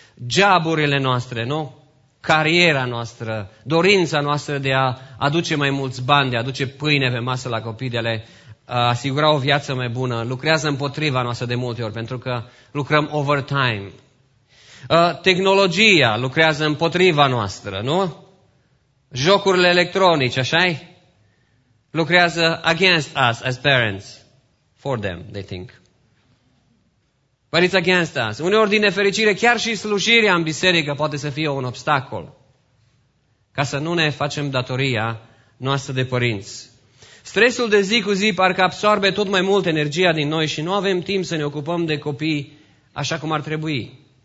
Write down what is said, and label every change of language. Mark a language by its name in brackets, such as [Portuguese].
[Romanian] Joburile noastre, nu? Cariera noastră, dorința noastră de a aduce mai mulți bani, de a aduce pâine pe masă la copii, de a le asigura o viață mai bună, lucrează împotriva noastră de multe ori, pentru că lucrăm overtime. Tehnologia lucrează împotriva noastră, nu? Jocurile electronice, așa-i? Lucrează [English] against us as parents. For them, they think. But it's against us. [Romanian] Uneori, din nefericire, chiar și slujirea în biserică poate să fie un obstacol ca să nu ne facem datoria noastră de părinți. Stresul de zi cu zi parcă absorbe tot mai mult energia din noi și nu avem timp să ne ocupăm de copii așa cum ar trebui.